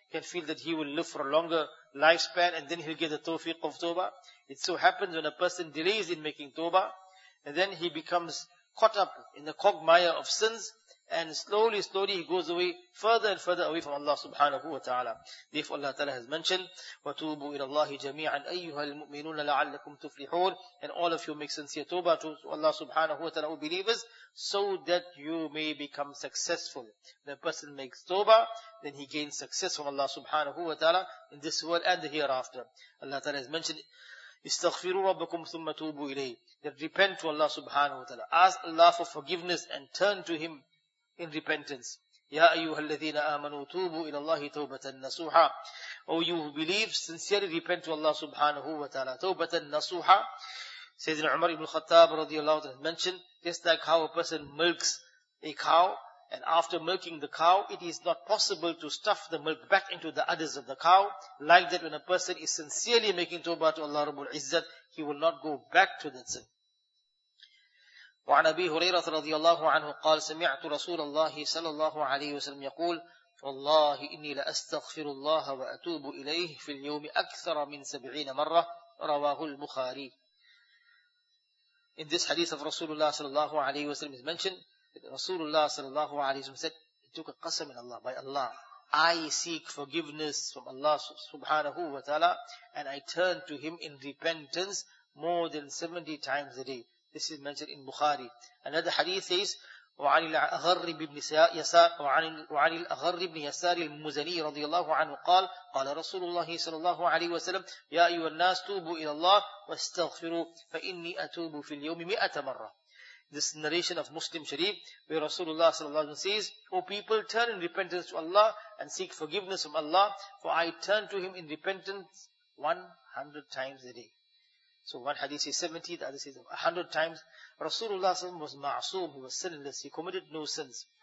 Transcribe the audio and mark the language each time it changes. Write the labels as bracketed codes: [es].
[en] can feel that he will live for a longer lifespan and then he'll get the tawfiq of tawbah. It so happens when a person delays in making tawbah, and then he becomes caught up in the quagmire of sins, and slowly, slowly he goes away, further and further away from Allah subhanahu wa ta'ala. Therefore Allah ta'ala has mentioned, [ar] وَتُوبُوا إِلَى اللَّهِ جَمِيعًا أَيُّهَا الْمُؤْمِنُونَ لَعَلَّكُمْ تُفْلِحُونَ. [en] And all of you make sincere tawbah to Allah subhanahu wa ta'ala, O believers, so that you may become successful. When a person makes tawbah, then he gains success from Allah subhanahu wa ta'ala in this world and the hereafter. Allah ta'ala has mentioned, [ar] استغفروا ربكم ثم توبوا إليه. [en] That repent to Allah subhanahu wa ta'ala. Ask Allah for forgiveness and turn to Him in repentance. [ar] يا أيها الذين آمنوا توبوا إلى الله توبة نصوحا. [en] Oh you who believe, sincerely repent to Allah subhanahu wa ta'ala. [ar] توبة نصوحا. [en] Sayyidina Umar ibn Khattab radiallahu anhu mentioned, just like how a person milks a cow, and after milking the cow, it is not possible to stuff the milk back into the udders of the cow. Like that, when a person is sincerely making tawbah to Allah Rabbul Izzat, he will not go back to that sin. [ar] وعن أبي هريرة رضي الله عنه قال سمعت رسول الله صلى الله عليه وسلم يقول فالله إني لأستغفر الله وأتوب إليه في اليوم أكثر من 70 مرة رواه البخاري. [en] In this hadith of Rasulullah صلى الله عليه وسلم is mentioned, Rasulullah sallallahu alayhi wa sallam said, he took a qasam in Allah, by Allah, I seek forgiveness from Allah subhanahu wa ta'ala, and I turn to Him in repentance more than 70 times a day. This is mentioned in Bukhari. Another hadith says, [ar] وَعَنِ الْأَغَرِّ بِبْنِ يَسَارِ وَعَنِ الْأَغَرِّ بِبْنِ يَسَارِ الْمُزَنِي رضي الله عنه قال قال رسول الله صلى الله عليه وسلم يَا أَيُّهَا النَّاسُ تُوبُوا إِلَى اللَّهِ وَاسْتَغْفِرُوا فَإِنِّي أَتُوبُ فِي الْيَوْمِ 100 مَرَّةً. [en] This narration of Muslim Sharif, where Rasulullah sallallahu alaihi wasallam says, O people, turn in repentance to Allah and seek forgiveness from Allah, for I turn to Him in repentance 100 times a day. So one hadith says 70, the other says 100 times. Rasulullah sallallahu alaihi wasallam was ma'soom, he was sinless, he committed no sins.